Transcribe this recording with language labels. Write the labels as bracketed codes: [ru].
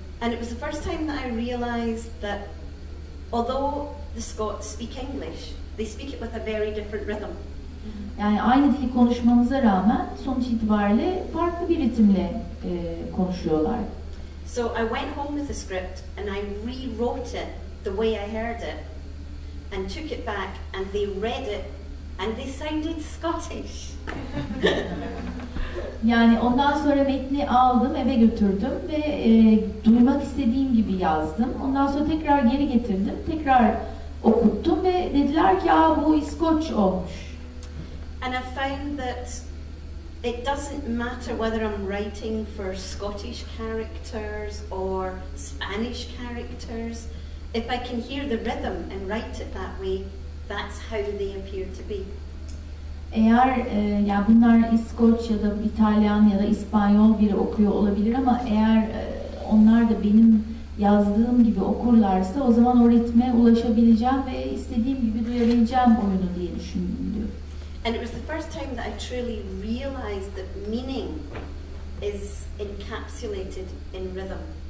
[en] And it was the first time that I realized that although the Scots speak English, they speak it with a very different rhythm. [tr] Yani aynı dili konuşmamıza rağmen sonuç itibariyle farklı bir ritimle konuşuyorlar. [en] So I went home with the script and I rewrote it the way I heard it and took it back and they read it and they sounded Scottish. [tr] Yani ondan sonra metni aldım, eve götürdüm ve duymak istediğim gibi yazdım. Ondan sonra tekrar geri getirdim, tekrar okuttum ve dediler ki bu İskoç olmuş. [en] And I found that it doesn't matter whether I'm writing for Scottish characters or Spanish characters. If I can hear the rhythm and write it that way, that's how they appear to be. [tr] Eğer yani bunlar İskoç ya da İtalyan ya da İspanyol biri okuyor olabilir ama eğer onlar da benim yazdığım gibi okurlarsa o zaman o ritme ulaşabileceğim ve istediğim gibi duyabileceğim oyunu diye düşündüm diyor. [en] And it was the first time that I truly realized that meaning is encapsulated in rhythm.